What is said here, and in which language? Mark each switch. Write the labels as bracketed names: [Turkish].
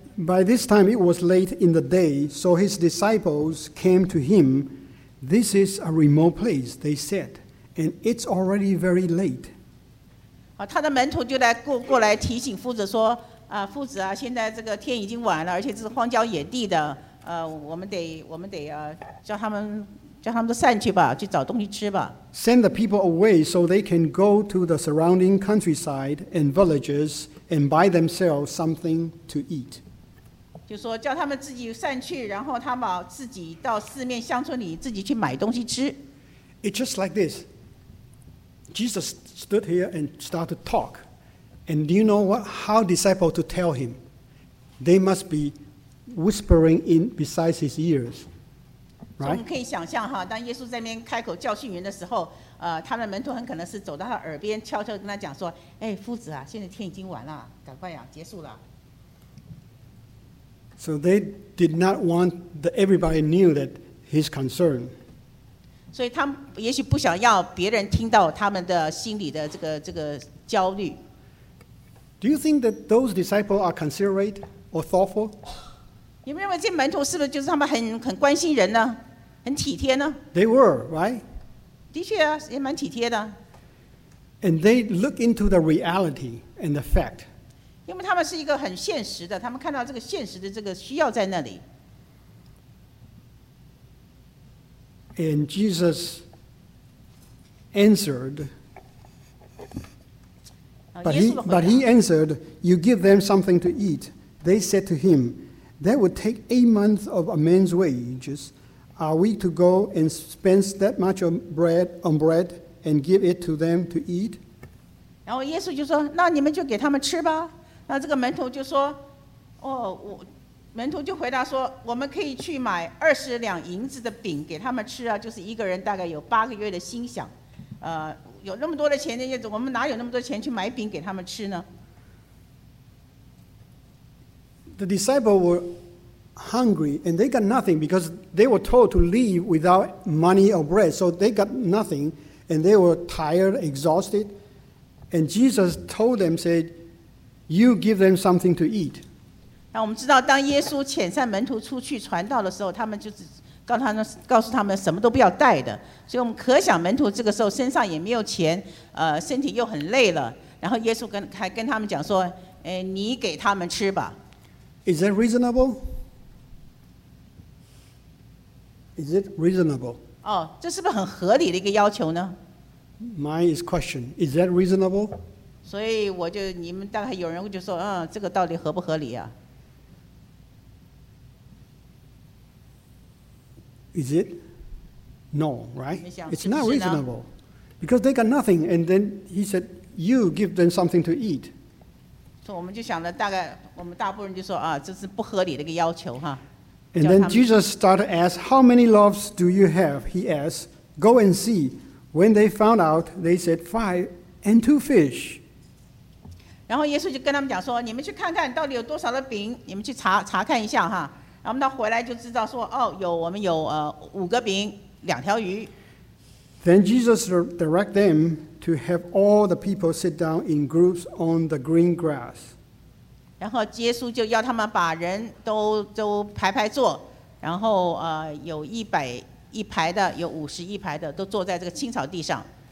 [English] By this time, it was late in the day, so his disciples came to him. This is a remote place, they said, and it's already very late. [Chinese] 好，他的门徒就来过来提醒夫子说，夫子啊，现在这个天已经晚了，而且这是荒郊野地的，我们得叫他们都散去吧，去找东西吃吧。 [English] Send the people away so they can go to the surrounding countryside and villages and buy themselves something to eat. [Chinese] 就说叫他们自己散去，然后他们自己到四面乡村里自己去买东西吃。 [English] It's just like this. Jesus stood here and started to talk. And do you know how disciples to tell him? They must be whispering in beside his ears. Right? [Chinese] 我们可以想象哈，当耶稣在那边开口教训人的时候，他们的门徒很可能是走到他耳边悄悄跟他讲说：“哎，夫子啊，现在天已经晚了，赶快呀，结束了。” [English] So they did not want that everybody knew that his concern. [Chinese] 所以他也许不想要别人听到他们的心里的这个焦虑。 [English] Do you think that those disciples are considerate or thoughtful? [Chinese] 你们认为这门徒是不是就是他们很关心人呢？很体贴呢？ [English] They were, right? [Chinese] 的确啊，也蛮体贴的。 [English] And they look into the reality and the fact. [Chinese] 因为他们是一个很现实的，他们看到这个现实的这个需要在那里。 [English] And Jesus answered, but he answered, "You give them something to eat." They said to him, "That would take 8 months of a man's wages. Are we to go and spend that much of bread on bread and give it to them to eat? [Chinese] 然后耶稣就说，那你们就给他们吃吧。那这个门徒就说，哦，我门徒就回答说，我们可以去买20两银子的饼给他们吃啊，就是一个人大概有8个月的薪饷，有那么多的钱，我们哪有那么多钱去买饼给他们吃呢？ [English] The disciples were hungry and they got nothing because they were told to leave without money or bread, so they got nothing and they were tired, exhausted. And Jesus told them, said, "You give them something to eat." [Chinese] 那我们知道，当耶稣遣散门徒出去传道的时候，他们就只告诉他们什么都不要带的，所以我们可想门徒这个时候身上也没有钱，身体又很累了。然后耶稣还跟他们讲说，哎，你给他们吃吧。 [English] Is that reasonable? Is it reasonable? [Chinese] 哦，这是不是很合理的一个要求呢？ [English] Mine is question. Is that reasonable? [Chinese] 所以我就你们大概有人就说，嗯，这个到底合不合理啊？ [English] Is it? No, right? It's not reasonable. Because they got nothing, and then he said, you give them something to eat. So we just thought, [Chinese] 大概我们大部分人就说啊，这是不合理的一个要求哈。 [English] And then Jesus started to ask, how many loaves do you have? He asked, go and see. When they found out, they said, 5 and 2 fish. [Chinese] 然后耶稣就跟他们讲说，你们去看看到底有多少的饼，你们去查看一下哈。然后他回来就知道说，哦，有我们有5个饼2条鱼。 [English] Then Jesus direct them to have all the people sit down in groups on the green grass. [Chinese] 然后耶稣就要他们把人都排排坐，然后有100一排的，有50一排的，都坐在这个青草地上。